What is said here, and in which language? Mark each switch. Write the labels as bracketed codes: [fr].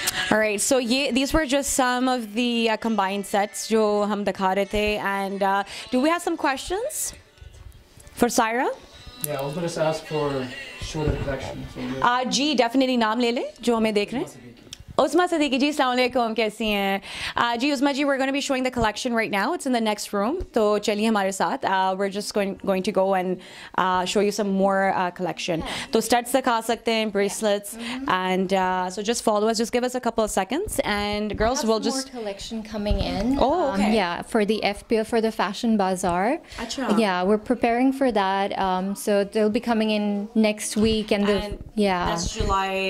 [en] All right, so these were just some of the combined sets [ur] jo hum dikha rahe the. [en] And do we have some questions for Saira? Yeah, I was going to ask for shorter collection. [ur] So جی, definitely نام لے لے جو ہمیں دیکھ رہے ہیں۔ عظمیٰ صدیقی جی، السلام علیکم، کیسی ہیں؟ [en] Ji, Usma ji, we're going to be showing the collection right now. It's in the next room. [ur] تو چلیے ہمارے ساتھ۔ [en] We're just going to go and show you some more collection. [ur] تو studs دکھا سکتے ہیں، bracelets۔ [en] And so just follow us. Just give us a couple of seconds. And girls, we'll just... more collection coming in. Oh, okay. Yeah, for the FBO, for the Fashion Bazaar. [ur] Achha. [en] Yeah, we're preparing for that. So they'll be coming in next week. And that's July...